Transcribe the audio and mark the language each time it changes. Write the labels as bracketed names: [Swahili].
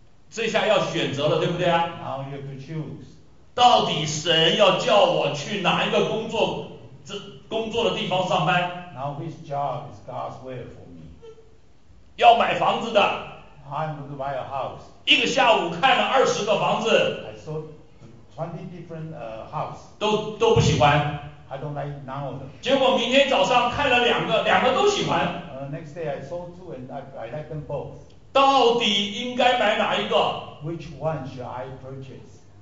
[Chinese] 这下要选择了，对不对啊？ [English] Now you have to choose. [Chinese] 到底神要叫我去哪一个工作的地方上班？ [English] Now which job is God's will for me? [Chinese] 要买房子的。 [English] I'm going to buy a house. [Chinese] 一个下午看了20个房子。 [English] I saw 20 different house. [Chinese] 都不喜欢。 [English] I don't like none of them. [Chinese] 结果明天早上看了两个都喜欢。 [English] Next day I saw two and I like them both. [Chinese] 到底应该买哪一个？ [English] Which one should I purchase?